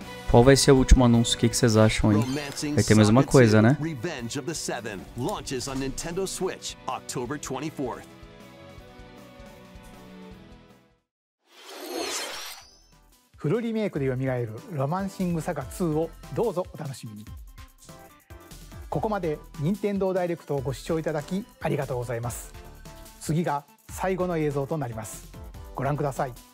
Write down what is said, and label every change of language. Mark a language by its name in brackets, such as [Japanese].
[Portuguese] Qual vai ser o último anúncio? O que vocês acham aí? Vai ter mais uma coisa, né? [English] Revenge of the Seven launches on Nintendo Switch October 24th. [Japanese] フルリメイクで蘇るロマンシングサガ2をどうぞお楽しみに。ここまで任天堂ダイレクトをご視聴いただきありがとうございます。次が最後の映像となります。ご覧ください。